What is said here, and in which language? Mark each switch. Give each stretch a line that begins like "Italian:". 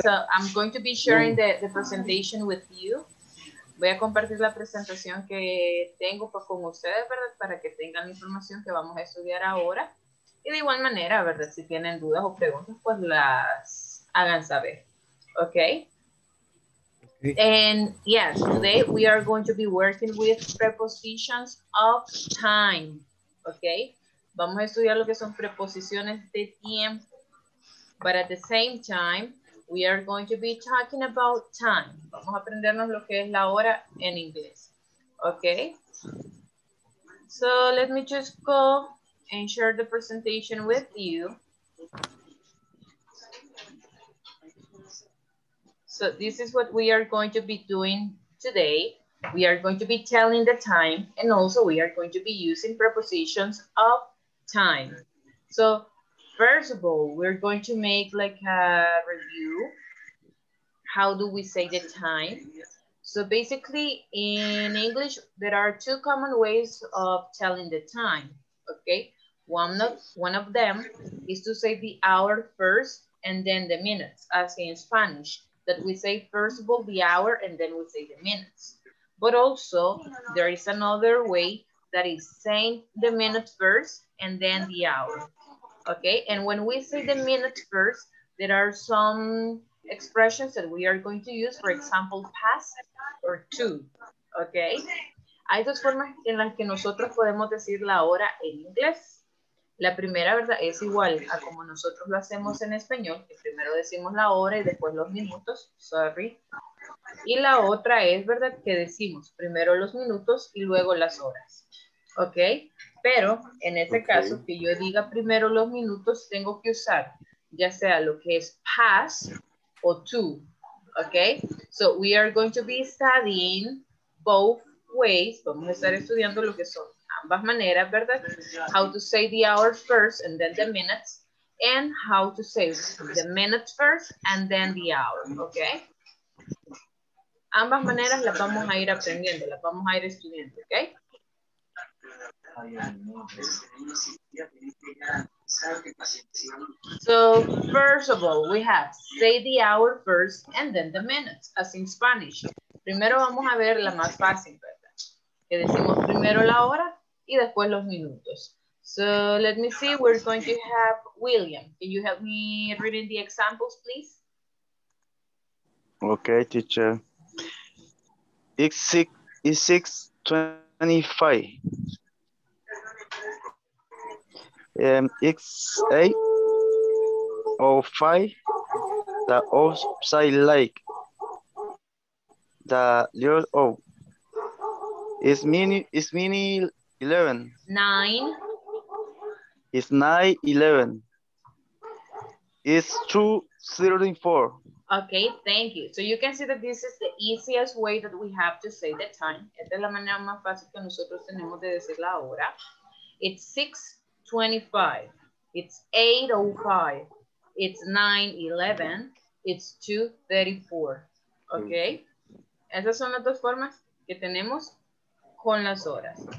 English: So I'm going to be sharing the presentation with you.
Spanish: Voy a compartir la presentación que tengo con ustedes, ¿verdad? Para que tengan la información que vamos a estudiar ahora. Y de igual manera, ¿verdad? Si tienen dudas o preguntas, pues las hagan saber. ¿Ok?
English: And yes, today we are going to be working with prepositions of time. Okay?
Spanish: Vamos a estudiar lo que son preposiciones de tiempo.
English: But at the same time, we are going to be talking about time.
Spanish: Vamos a aprendernos lo que es la hora en inglés. Okay?
English: So let me just go and share the presentation with you. So this is what we are going to be doing today. We are going to be telling the time, and also we are going to be using prepositions of time. So first of all, we're going to make like a review. How do we say the time? So basically in English, there are two common ways of telling the time, okay? One of them is to say the hour first and then the minutes, as in Spanish. That we say first of all the hour and then we say the minutes. But also there is another way that is saying the minutes first and then the hour. Okay, and when we say the minutes first, there are some expressions that we are going to use, for example, past or two.
Spanish: Okay, hay dos formas en las que nosotros podemos decir la hora en inglés. La primera, ¿verdad?, es igual a como nosotros lo hacemos en español, que primero decimos la hora y después los minutos, sorry. Y la otra es, ¿verdad?, que decimos primero los minutos y luego las horas, ¿ok? Pero en ese caso, que yo diga primero los minutos, tengo que usar ya sea lo que es past o to, ¿ok?
English: So we are going to be studying both ways,
Spanish: vamos a estar estudiando lo que son ambas maneras, ¿verdad?
English: How to say the hour first and then the minutes, and how to say the minutes first and then the hour, ¿ok?
Spanish: Ambas maneras las vamos a ir aprendiendo, las vamos a ir estudiando, ¿ok?
English: So, first of all, we have say the hour first and then the minutes, as in Spanish.
Spanish: Primero vamos a ver la más fácil, ¿verdad? Que decimos primero la hora, y después los minutos.
English: So let me see, we're going to have William. Can you help me reading the examples, please? Okay, teacher. It's 6:25. It's 8:05. The outside light. The little oh. It's mini 11. 9. It's 9:11. It's 2:34. Okay, thank you. So you can see that this is the easiest way that we have to say the time.
Spanish: Esta es la manera más fácil que nosotros tenemos de decir la hora.
English: It's 6:25. It's 8:05. It's 9:11. It's 2:34. Okay?
Spanish: Esas son las dos formas que tenemos con las horas.